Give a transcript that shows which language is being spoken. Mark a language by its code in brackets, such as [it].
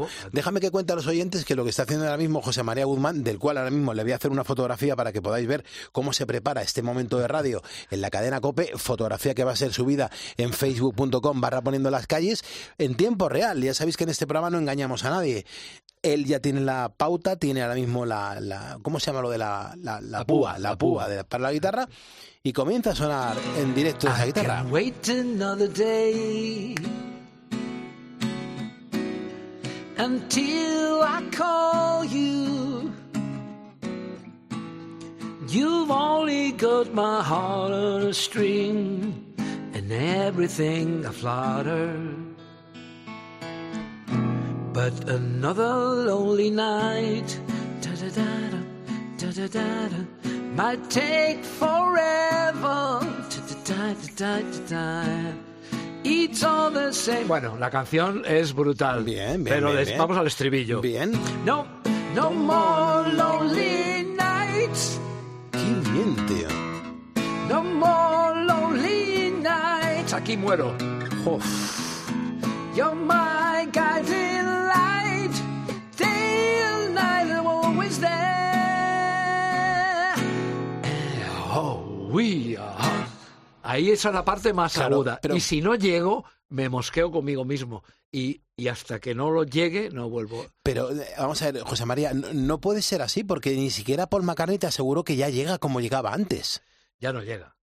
[es] Déjame que cuente a los oyentes que lo que está haciendo ahora mismo José María Guzmán, del cual ahora mismo le voy a hacer una fotografía para que podáis ver cómo se prepara este momento de radio en la cadena COPE, fotografía que va a ser subida en facebook.com/poniendolascalles, en tiempo real. Ya sabéis que en este programa no engañamos a nadie. Él ya tiene la pauta, tiene ahora mismo la ¿cómo se llama lo de la púa. De, para la guitarra? Y comienza a sonar en directo esa guitarra. [en] I can wait another day until I call you. You've only got my heart on a string and everything a flutter. But another lonely night, da-da-da-da, da-da-da-da, might take forever, da-da-da-da-da-da. It's all the same. [es] Bueno, la canción es brutal. Bien, vamos al estribillo. Bien. [en] No, no more lonely nights. [es] Qué bien, tío. [en] No more lonely nights. [es] Aquí muero. Uf. [en] You're my guiding light, day and night, I'm always there. Oh, we are. [es] Ahí es la parte más aguda. Pero... Y si no llego, me mosqueo conmigo mismo. Y hasta que no lo llegue, no vuelvo. Pero vamos a ver, José María, no puede ser así, porque ni siquiera Paul McCartney te aseguró que ya llega como llegaba antes. Ya no llega.